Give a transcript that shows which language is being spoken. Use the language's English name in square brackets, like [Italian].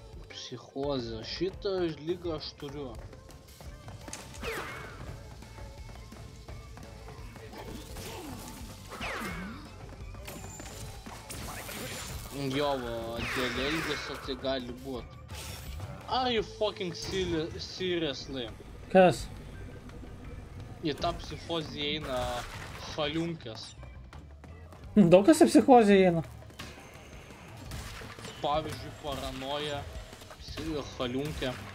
[Lithuanian] Psichozė, šitą lygą aš turiu. Jo, dėl elgesio tai gali būt. [English] Are you fucking seriously? [Lithuanian] Kas? Į tą psichozį eina haliunkės. Daug kas į psichozį eina. Pavyzdžiui, paranoja, haliunkė.